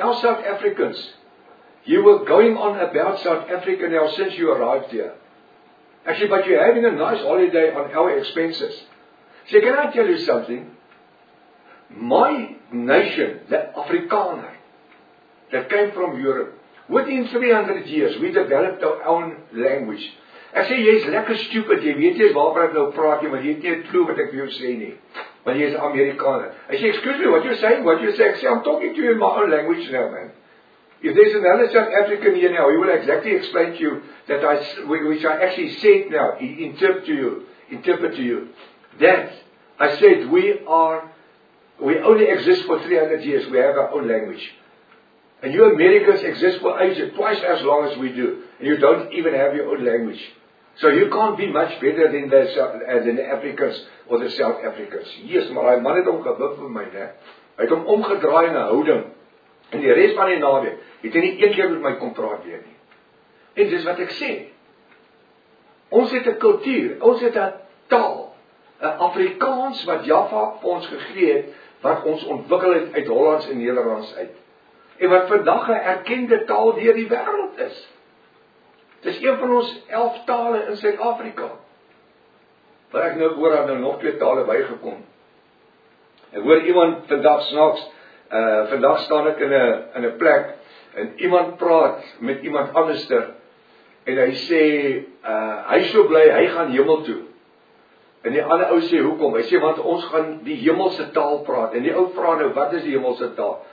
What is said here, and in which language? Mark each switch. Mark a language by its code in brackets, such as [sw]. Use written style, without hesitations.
[en] Our South Africans, you were going on about South Africa now since you arrived here. Actually, but you're having a nice holiday on our expenses. So can I tell you something? My nation, the Afrikaner, that came from Europe, within 300 years, we developed our own language. [af] Ek sê, jy is lekker stupid, jy weet jy waarvan ek nou praat, jy, maar jy het nie clue wat ek vir jou sê nie, want jy is Amerikaner. Ek sê, [en] excuse me, what you're saying, [af] ek sê, [en] I'm talking to you in my own language now, man. If there's another South African here now, he will exactly explain to you, that which I actually said now, interpret to you, that I said, we only exist for 300 years, we have our own language. And you Americans exist for ages, twice as long as we do. And you don't even have your own language. So you can't be much better than the Africans or the South Africans. [af] Yes, maar hy man het hom gewip vir my, ne? Hy het hom omgedraai in 'n houding. En die rest van die naweek, het hy nie een keer met my kom praat weer nie. En dis wat ek sê. Ons het 'n kultuur, ons het 'n taal. Afrikaans wat Jaffa vir ons gegee het, wat ons ontwikkel het uit Hollands en Nederlands uit. En wat vandag 'n erkende taal deur die wêreld is. Dit is een van ons 11 tale in Suid-Afrika. Waar ek nou hoor, het nou nog 2 tale bygekom. Ek hoor iemand vandag snaaks, vandag staan ek in 'n plek, en iemand praat met iemand anderster, en hy sê, hy is so bly, hy gaan hemel toe. En die ander ou sê, hoekom? Hy sê, want ons gaan die hemelse taal praat, en die ou vra nou, wat is die hemelse taal?